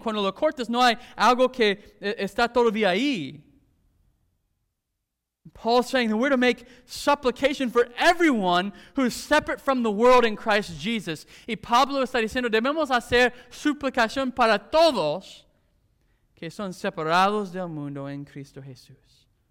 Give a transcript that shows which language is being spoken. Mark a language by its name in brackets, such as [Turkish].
[Spanish] Cuando lo cortas, no hay algo que está todavía ahí. [English] Paul's saying that we're to make supplication for everyone who's separate from the world in Christ Jesus. [Spanish] Y Pablo está diciendo, debemos hacer suplicación para todos que son separados del mundo en Cristo Jesús.